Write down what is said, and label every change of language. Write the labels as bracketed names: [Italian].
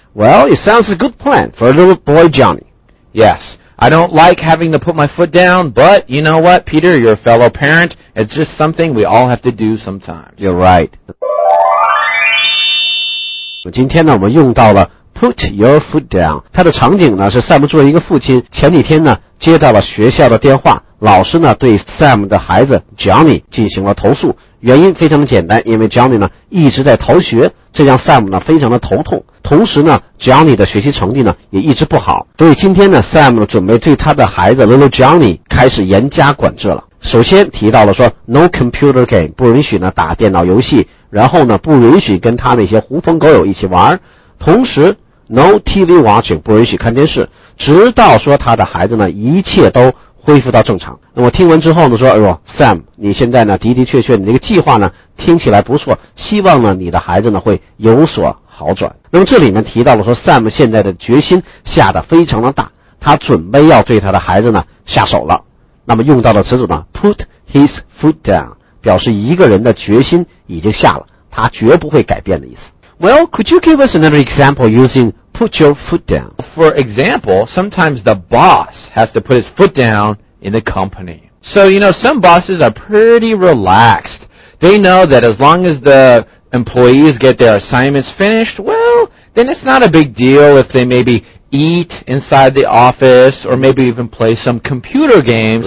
[English] Well, it sounds a good plan for a little boy Johnny. Yes. I don't like having to put my foot down, but you know what, Peter, you're a fellow parent. It's just something we all have to do sometimes. You're right. [Chinese] 今天呢，我们用到了 [English] put your foot down. [Chinese] 它的场景呢，是 Sam 作为一个父亲，前几天呢，接到了学校的电话，老师呢，对 Sam 的孩子 Johnny 进行了投诉。原因非常的简单，因为 Johnny 呢一直在逃学，这让 Sam 呢非常的头痛。同时呢 ，Johnny 的学习成绩呢也一直不好，所以今天呢 ，Sam 准备对他的孩子 Little Johnny 开始严加管制了。首先提到了说 ， [English] no computer game， [Chinese] 不允许呢打电脑游戏，然后呢不允许跟他那些狐朋狗友一起玩，同时 [English] no TV watching， [Chinese] 不允许看电视，直到说他的孩子呢一切都。恢复到正常。那么听完之后呢说哎呦 Sam 你现在呢的的确确你这个计划呢听起来不错，希望呢你的孩子呢会有所好转。那么这里面提到了说 Sam 现在的决心下得非常的大，他准备要对他的孩子呢下手了。那么用到的词组呢 [English] put his foot down， [Chinese] 表示一个人的决心已经下了，他绝不会改变的意思。 [English] Well, could you give us another example usingPut your foot down. For example, sometimes the boss has to put his foot down in the company. So, you know, some bosses are pretty relaxed. They know that as long as the employees get their assignments finished, well, then it's not a big deal if they maybe eat inside the office or maybe even play some computer games